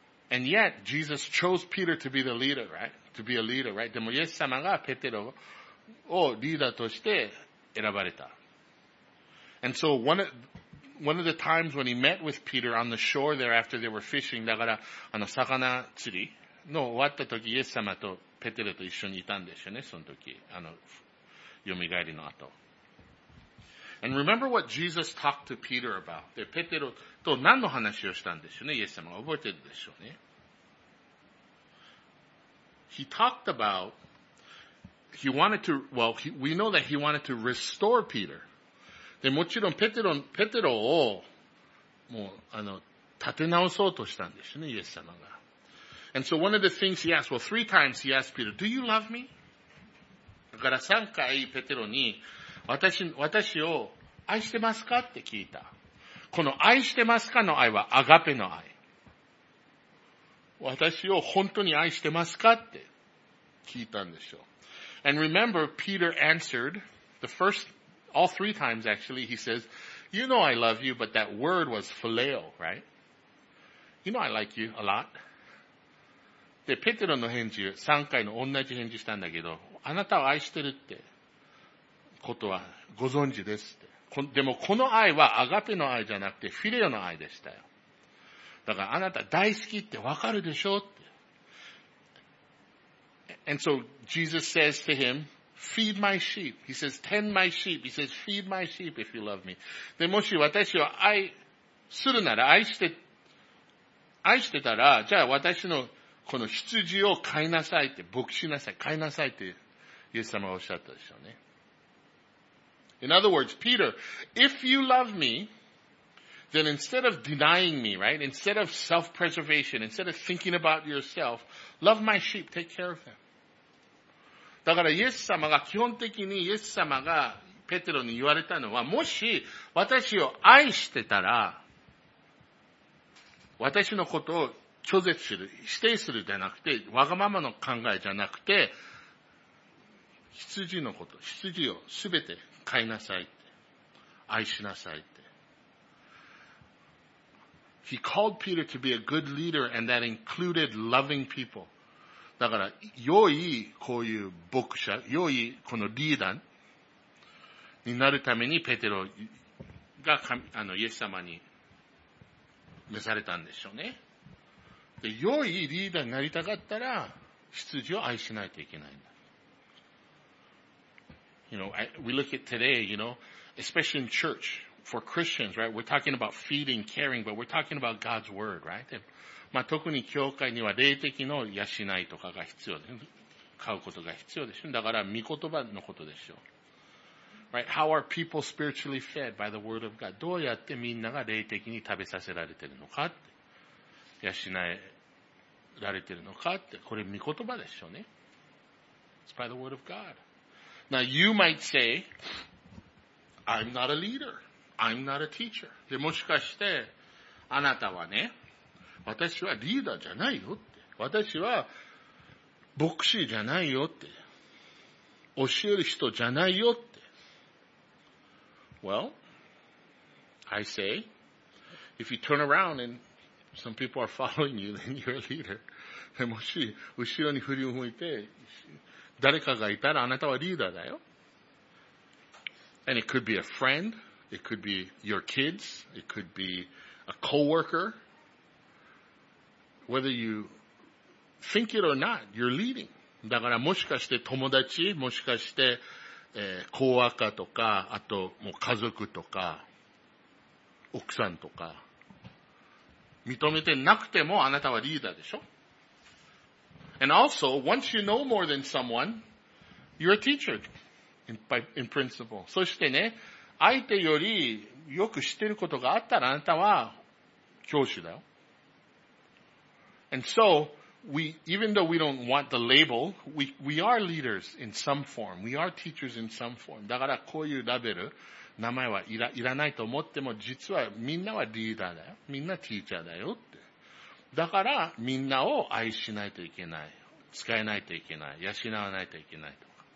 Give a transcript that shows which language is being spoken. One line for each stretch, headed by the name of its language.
English: And yet, Jesus chose Peter to be the leader, right? To be a leader, right?
Japanese: でもイエス様がペテロをリーダーとして選ばれた。
English: And so, one of the times when he met with Peter on the shore there after they were fishing,
Japanese: だから、魚釣りの終わった時、イエス様とペテロと一緒にいたんですよね、その時。蘇りの後。
English: And remember what Jesus talked to Peter about.
Japanese: で、ペテロと何の話をしたんですよね、イエス様は覚えてるでしょうね。
English: He talked about, he wanted to, well, he, we know that he wanted to restore Peter.
Japanese: で、もちろんペテロを、もう、立て直そうとしたんですよね、イエス様が。
English: And so one of the things he asked, well, three times he asked Peter, do you love me?
Japanese: だから三回ペテロに、私を愛してますかって聞いた。この愛してますかの愛はアガペの愛。私を本当に愛してますかって聞いたんでしょう。
English: And remember, Peter answered the first, all three times actually, he says, you know I love you, but that word was phileo, right? You know I like you a lot.
Japanese: で、ペテロの返事、3回の同じ返事したんだけど、あなたを愛してるってことはご存知ですって。でもこの愛はアガペの愛じゃなくてフィレオの愛でしたよ。だからあなた大好きってわかるでしょって。
English: And so Jesus says to him, feed my sheep. He says, tend my sheep. He says, feed my sheep if you love me.
Japanese: で、もし私を愛するなら、愛してたら、じゃあ私のこの羊を飼いなさいって、牧しなさい、飼いなさいって、イエス様がおっしゃったでしょうね。
English: In other words, Peter, if you love me, then instead of denying me, right, instead of self-preservation, instead of thinking about yourself, love my sheep, take care of them.
Japanese: だからイエス様が、基本的にイエス様がペテロに言われたのは、もし私を愛してたら、私のことを拒絶する、否定するじゃなくて、わがままの考えじゃなくて、羊のこと、羊をすべて飼いなさいって、愛しなさいって。
English: He called Peter to be a good leader and that included loving people.
Japanese: だから、良いこういう牧者、良いこのリーダーになるためにペテロがイエス様に召されたんでしょうね。で、良いリーダーになりたかったら、羊を愛しないといけないんだ。
English: You know, we look at today, you know, especially in church, for Christians, right? We're talking about feeding, caring, but we're talking about God's word, right?
Japanese: まあ、特に教会には霊的の養いとかが必要で、飼うことが必要でしょ。だから、御言葉のことでしょ。
English: Right? How are people spiritually fed by the word of God?
Japanese: どうやってみんなが霊的に食べさせられてるのかって、養えられてるのかって、これ御言葉でしょうね。
English: It's by the word of God. Now you might say, I'm not a leader. I'm not a teacher.
Japanese: で、もしかして、あなたはね、私はリーダーじゃないよって。私は牧師じゃないよって。教える人じゃないよって。
English: Well, I say, if you turn around and some people are following you, then you're a leader.
Japanese: で、もし、後ろに振り向いて、誰かがいたらあなたはリーダーだよ。
English: And it could be a friend, it could be your kids, it could be a co-worker. Whether you think it or not, you're leading.
Japanese: だからもしかして友達、もしかして、コーワーカーとか、あともう家族とか、奥さんとか、認めてなくてもあなたはリーダーでしょ。
English: And also, once you know more than someone, you're a teacher, in principle.
Japanese: そしてね、相手よりよく知ってることがあったらあなたは教師だよ。
English: And so, even though we don't want the label, we are leaders in some form. We are teachers in some form.
Japanese: だからこういうラベル、名前はいらないと思っても、実はみんなはリーダーだよ。みんなティーチャーだよって。だからみんなを愛しないといけない、使えないといけない、養わないといけないとか。